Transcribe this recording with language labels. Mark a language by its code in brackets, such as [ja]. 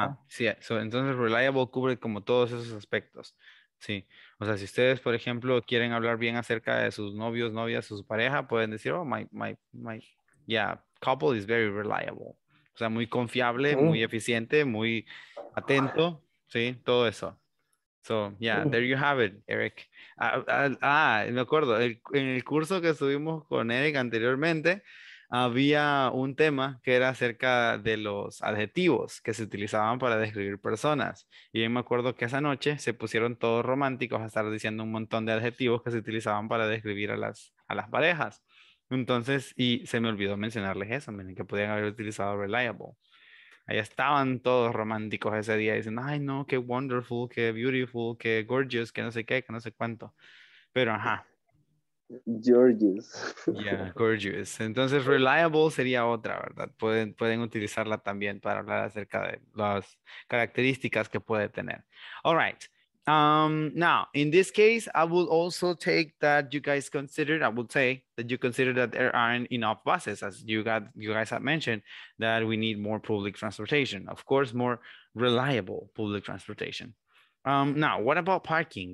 [es] Ajá, sí, so, entonces reliable cubre como todos esos aspectos, sí. O sea, si ustedes, por ejemplo, quieren hablar bien acerca de sus novios, novias, su pareja, pueden decir, [en] oh, my, yeah, couple is very reliable. [es] O sea, muy confiable, sí, muy eficiente, muy atento, sí, todo eso. [en] So, yeah, sí, there you have it, Eric. [es] Me acuerdo, en el curso que estuvimos con Eric anteriormente, había un tema que era acerca de los adjetivos que se utilizaban para describir personas. Y yo me acuerdo que esa noche se pusieron todos románticos a estar diciendo un montón de adjetivos que se utilizaban para describir a las parejas. Entonces, y se me olvidó mencionarles eso, miren, que podían haber utilizado reliable. Allá estaban todos románticos ese día diciendo, ay no, qué [en] wonderful, [es] qué [en] beautiful, [es] qué [en] gorgeous, [es] qué no sé qué, qué no sé cuánto. Pero ajá. [en] Gorgeous. Yeah, gorgeous. [es] Entonces, reliable sería otra, ¿verdad? Pueden utilizarla también para hablar acerca de las características que puede tener. [en] All right. Now, in this case, I will also take that you guys considered, I would say that you consider that there aren't enough buses, as you guys have mentioned, that we need more public transportation. Of course, more reliable public transportation. Now, what about parking?